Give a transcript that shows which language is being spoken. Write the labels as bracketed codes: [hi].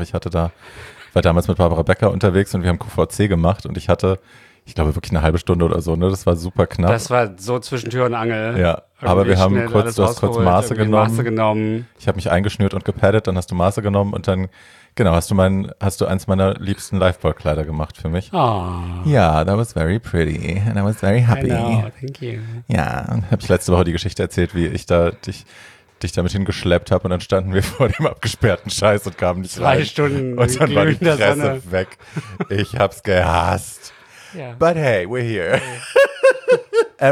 [de] Ich hatte da, war damals mit Barbara Becker unterwegs und wir haben QVC gemacht und ich hatte, ich glaube wirklich eine halbe Stunde oder so, ne? Das war super knapp. Das war so zwischen Tür und Angel. Ja, aber wir haben kurz, du hast kurz Maße genommen. Maße genommen. Ich habe mich eingeschnürt und gepaddet, dann hast du Maße genommen und dann, genau, hast du eins meiner liebsten Lifeboy-Kleider gemacht für mich. Oh. Ja, [en] that was very pretty and I was very happy. I know, thank you. [de] Ja, habe ich letzte Woche die Geschichte erzählt, wie ich da dich damit hingeschleppt habe und dann standen wir vor dem abgesperrten Scheiß und kamen nicht drei rein. Drei Stunden. Und dann war die Presse weg. Ich hab's gehasst. [en] Yeah. But hey, we're here. Hey.